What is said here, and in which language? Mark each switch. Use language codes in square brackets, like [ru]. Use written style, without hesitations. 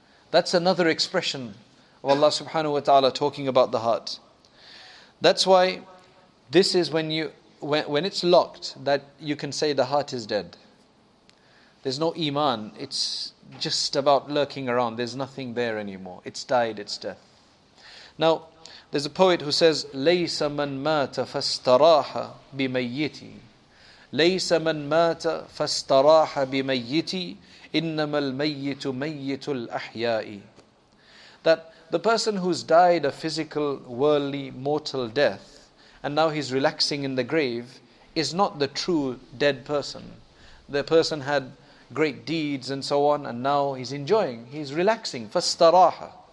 [en] That's another expression of Allah subhanahu wa ta'ala talking about the heart. That's why this is when it's locked, that you can say the heart is dead. There's no iman. It's just about lurking around. There's nothing there anymore. It's died, it's death. Now, there's a poet who says, [ar] لَيْسَ مَنْ مَاتَ فَاسْتَرَاحَ بِمَيِّتِي لَيْسَ مَنْ مَاتَ فَاسْتَرَاحَ بِمَيِّتِي إِنَّمَا الْمَيِّتُ مَيِّتُ الْأَحْيَاءِ. [en] That the person who's died a physical, worldly, mortal death, and now he's relaxing in the grave, is not the true dead person. The person had great deeds and so on, and now he's enjoying, he's relaxing. [ar] فَاسْتَرَاحَ.